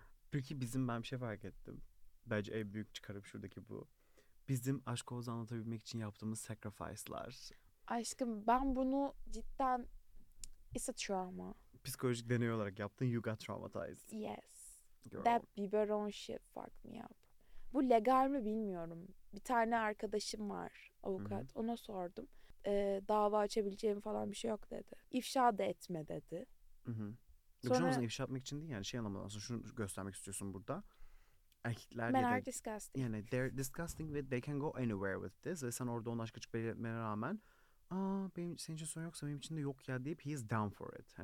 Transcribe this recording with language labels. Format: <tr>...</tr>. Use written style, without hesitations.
<tr>Peki bizim, ben bir şey fark ettim. Bence en büyük çıkarım şuradaki bu. Bizim aşk oğuzu anlatabilmek için yaptığımız sacrifice'lar. Aşkım ben bunu cidden...</tr> <en>It's a trauma.</en> <tr>Psikolojik deney olarak yaptın.</tr> <en>You got traumatized. Yes. Girl. That biberon shit fucked me up.</en> <tr>Bu legal mi bilmiyorum. Bir tane arkadaşım var, avukat. Hı-hı. Ona sordum. Dava açabileceğim falan bir şey yok dedi. İfşa da etme dedi. Sonra... Yok, ifşa etmek için değil yani, şey anlamadım. Aslında şunu göstermek istiyorsun burada. Erkekler</tr> <en>men are disgusting.</en> <tr>Yani</tr> <en>they're disgusting</en> <tr>ve</tr> <en>they can go anywhere with this.</en> <tr>Ve sen orada onun aşk açık belirtmene rağmen, aa benim, senin için sorun yoksa benim için de yok ya deyip,</tr> <en>he is down for it.</en>